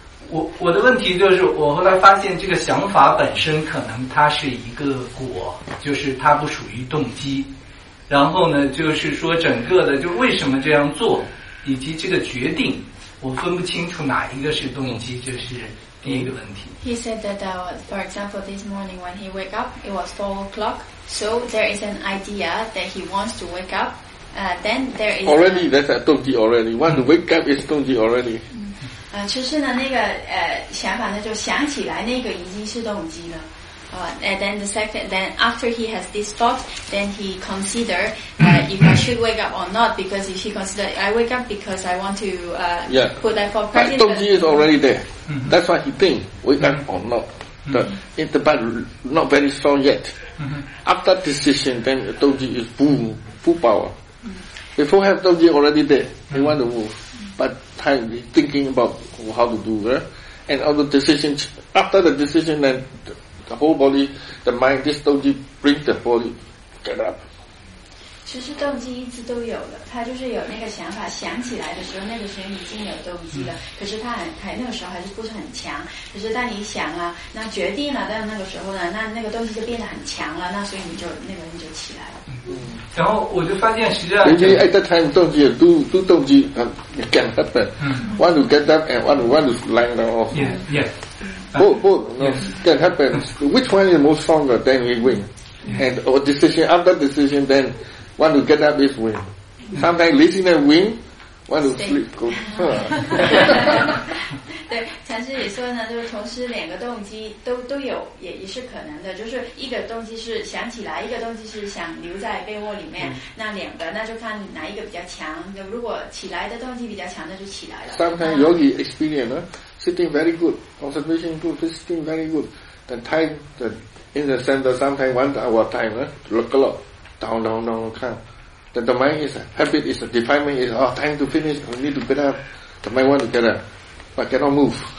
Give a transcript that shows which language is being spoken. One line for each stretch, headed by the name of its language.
Chinese: 我的问题就是，我后来发现这个想法本身可能它是一个果，就是它不属于动机。然后呢，就是说整个的，就为什么这样做，以及这个决定，我分不清楚哪一个是动机，就是第一个问题。
English: He said that, for example, this morning when he wake up, it was 4 o'clock, so there is an idea that he wants to wake up. Then there is already that's a 动机 already. Want to wake up is 动机 already.
Chinese: 其实呢，那个想法呢，就想起来那个已经是动机了。
English: And then the second, then after he has this thought, then he consider if I should wake up or not. Because if he consider, I wake up because I want to put that for practice. But 动机 is already there. That's why he think wake up or not. But not very strong yet. After decision, then 动机 is full power. Before have 动机 already there, he want to move. But time thinking about how to do that, and all the decision after the decision, then the whole body, the mind, this 动机 bring the body get up.
Chinese: 其实动机一直都有了，他就是有那个想法，想起来的时候，那个时候已经有动机了。可是他很，还那个时候还是不是很强。可是当你想啊，那决定了，到那个时候呢，那那个动机就变得很强了，那所以你就那个人就起来了。然后我就发现，实际上，人家
English: at that time 动机 do 动机，it can happen. Want to get up and want to lie down also. Yeah. Both can happen. Which one is most stronger? Then we win. And or decision after decision, then want to get up is win. Sometimes losing and win, want to sleep go.
Chinese: 对，禅师也说呢，就是同时两个动机都有，也是可能的。就是一个动机是想起来，一个动机是想留在被窝里面。那两个，那就看哪一个比较强。就如果起来的动机比较强，那就起来了。
English: Sometimes you have experience, sitting very good, observation good, sitting very good. The time, the in the center, sometimes 1 hour time, look a lot, down, come. The mind is, habit is, definement is, oh, time to finish, we need to get up. The mind want to get up, but cannot move.